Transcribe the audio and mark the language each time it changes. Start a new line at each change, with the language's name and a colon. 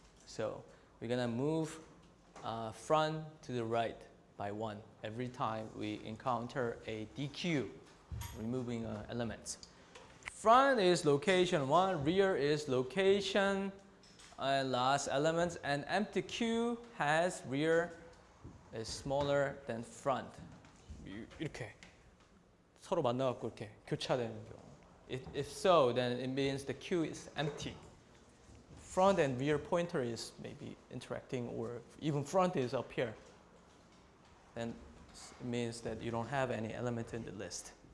English: So we're gonna move front to the right by one every time we encounter a DQ, removing elements. front is location 1, rear is location and last element, and empty queue has rear is smaller than front.
Korean: 이렇게 서로 만나갖고 이렇게 교차되는 경우.
English: If so, then it means the queue is empty. Front and rear pointer is maybe interacting, or even front is up here. Then it means that you don't have any element in the list.